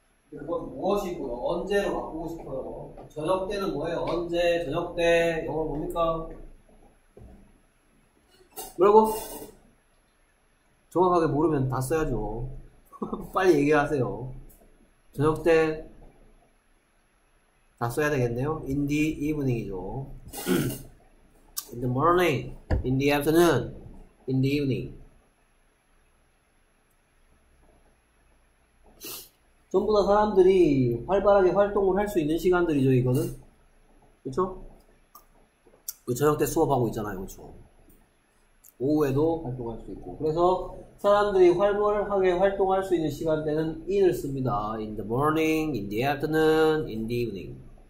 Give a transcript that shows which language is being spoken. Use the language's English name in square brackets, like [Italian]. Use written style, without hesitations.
[Korean] 그건 무엇이고요? 언제로 바꾸고 싶어요? 저녁 때는 뭐예요? 언제? 저녁 때 영어 뭡니까? 뭐라고? 정확하게 모르면 다 써야죠. 빨리 얘기하세요. 저녁 때다 써야 되겠네요. [English] In the evening이죠. In the morning, in the afternoon, in the evening. [Korean] 전부 다 사람들이 활발하게 활동을 할수 있는 시간들이죠, 이거는. 그쵸? 그 저녁 때 수업하고 있잖아요, 그쵸? 오후에도 활동할 수 있고. 그래서 사람들이 활발하게 활동할 수 있는 시간대는 in을 씁니다. [English] In the morning, in the afternoon, in the evening.